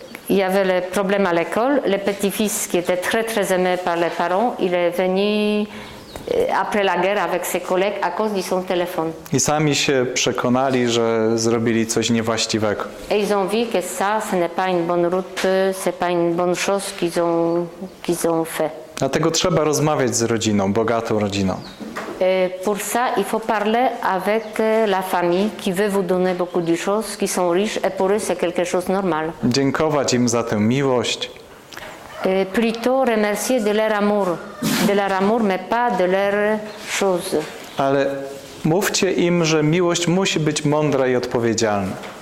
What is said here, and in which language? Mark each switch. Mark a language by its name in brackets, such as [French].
[French] Il y avait le problème à l'école, le petit-fils qui était très, très aimé par les parents, il est venu après la guerre avec ses collègues à cause de son téléphone. [Polish] I sami się przekonali, że zrobili coś niewłaściwego. [French] Et ils ont vu que ça, ce n'est pas une bonne route, c'est pas une bonne chose qu'ils ont fait. [Polish] Dlatego trzeba rozmawiać z rodziną, bogatą rodziną. [French] Pour ça, il faut parler avec la famille qui veut vous donner beaucoup de choses, qui sont riches, et pour eux c'est quelque chose normal. [Polish] Dziękować im za tę miłość. [French] Plutôt remercier de leur amour. De leur amour, mais pas de leur chose. [Polish] Ale mówcie im, że miłość musi być mądra i odpowiedzialna.